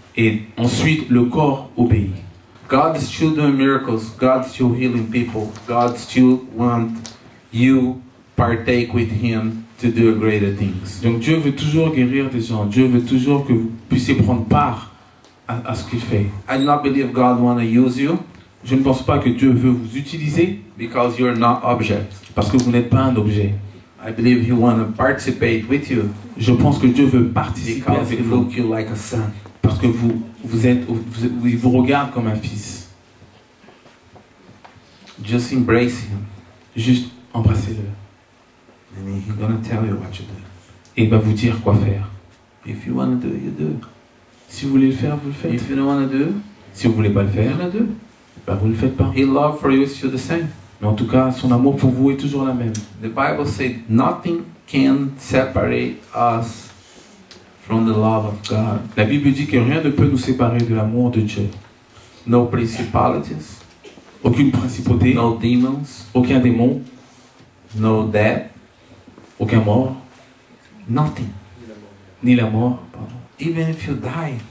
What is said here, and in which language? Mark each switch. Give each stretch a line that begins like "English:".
French: et ensuite le corps obéit.
English: God is still doing miracles. God is still healing people. God still wants you partake with Him. To do greater things.
French: Donc Dieu veut toujours guérir des gens. Dieu veut toujours que vous puissiez prendre part à ce qu'il fait.
English: I do not believe God wanna use you.
French: Je ne pense pas que Dieu veut vous utiliser.
English: Because you are not object.
French: Parce que vous n'êtes pas un objet.
English: I believe He wanna participate with you.
French: Je pense que Dieu veut participer
English: because
French: avec vous.
English: Look you like a son.
French: Parce que vous regarde comme un fils.
English: Just embrace Him.
French: Juste embrassez-le.
English: And he's gonna tell you what to do.
French: Et il va vous dire quoi faire.
English: If you wanna do it, you do.
French: Si vous voulez le faire, vous le faites.
English: If you don't wanna do,
French: si vous voulez pas le faire,
English: you do.
French: Bah vous le faites pas.
English: His love for you is still the same.
French: Mais en tout cas, son amour pour vous est toujours la même.
English: The Bible said nothing can separate us from the love of God.
French: La Bible dit que rien ne peut nous séparer de l'amour de Dieu.
English: No principalities.
French: Aucune principauté.
English: No demons.
French: Aucun démon.
English: No death.
French: Aucun mort.
English: Nothing.
French: Ni la mort.
English: Pardon. Even if you die.